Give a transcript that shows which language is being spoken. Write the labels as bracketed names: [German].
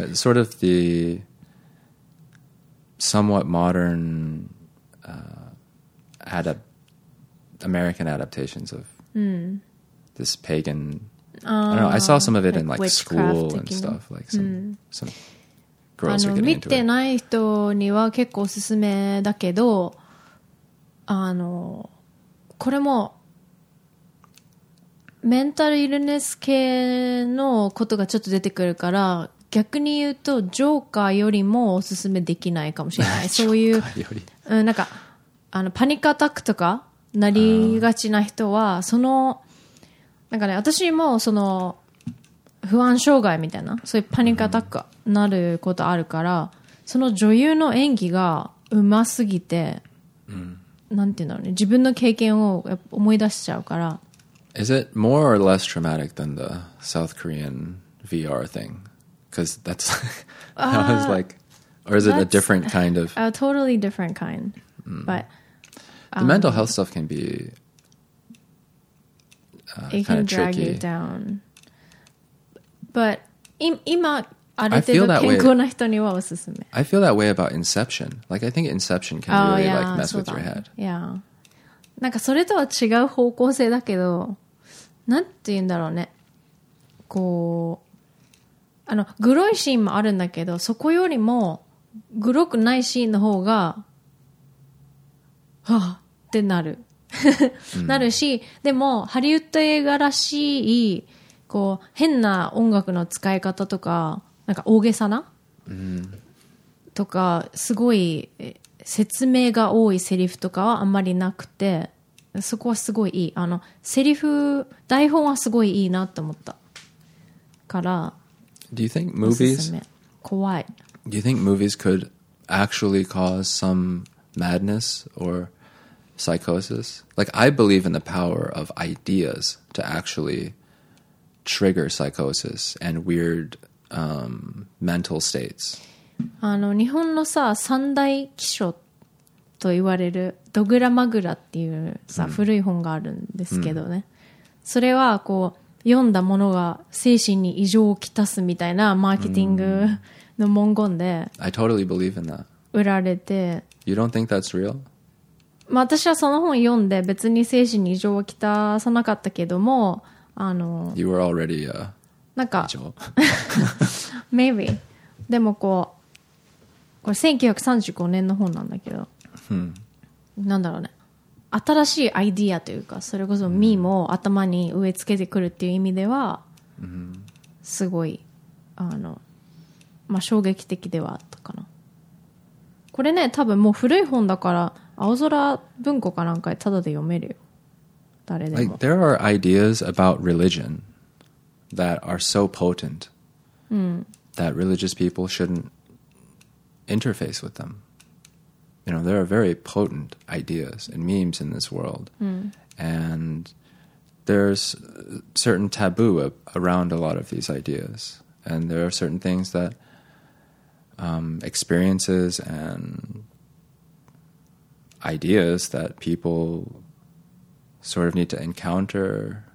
[English] it's sort of the somewhat modern American adaptations of this pagan I don't know I saw some of it like in like school and stuff like some girls are getting into it [Japanese] 見てない人には結構おすすめだけどこれもメンタルイルネス系のことがちょっと出てくるから逆に言うとジョーカーよりもおすすめできないかもしれないそういう、なんかパニックアタックとかなりがちな人はそのなんかね私もその不安障害みたいなそういうパニックアタックなることあるからその女優の演技がうますぎて、なんていうんだろうね自分の経験を思い出しちゃうから [English] Is it more or less traumatic than the South Korean VR thing? Because that's like, that was like, or is it a different kind of? A totally different kind. But the mental health stuff can be kind of tricky. It can drag you down. [Japanese] But 今ある程度健康な人にはおすすめ。 [English] I feel that way about Inception. Like I think Inception can really like mess with your head. Yeah. [Japanese] なんかそれとは違う方向性だけど。なんて言うんだろうね。こう、グロいシーンもあるんだけど、そこよりも、グロくないシーンの方が、はぁってなる。なるし、でもハリウッド映画らしいこう変な音楽の使い方とかなんか大げさな、うん、とかすごい説明が多いセリフとかはあんまりなくて、そこはすごいいい、あのセリフ台本はすごいいいなって思ったから。 [English] Do you think movies [Japanese] すす怖い [English] Do you think movies could actually cause some madness or psychosis? Like I believe in the power of ideas to actually trigger psychosis and weird mental states. [Japanese] あの日本のさ三大奇書と言われるドグラマグラっていうさ、mm. 古い本があるんですけどね。 Mm. それはこう読んだものが精神に異常をきたすみたいなマーケティング、mm. の文言で [English] I totally believe in that. [Japanese] 売られて [English] You don't think that's real? [Japanese] まあ私はその本読んで別に精神に異常は来たさなかったけども、あの [English] You were already [Japanese] なんか Maybe でもこうこれ1935年の本なんだけど、 hmm. なんだろうね、新しいアイディアというかそれこそミーも頭に植え付けてくるっていう意味では、 mm-hmm. すごいあのまあ、衝撃的ではあったかな。これね多分もう古い本だから青空文庫かなんかでただで読めるよ誰でも。 [English] Like, There are ideas about religion that are so potent、 [Japanese] うん、 [English] that religious people shouldn't interface with them. You know, there are very potent ideas and memes in this world、 [Japanese] うん、 [English] and there's certain taboo around a lot of these ideas and there are certain things thatexperiences and ideas that people sort of need to encounter、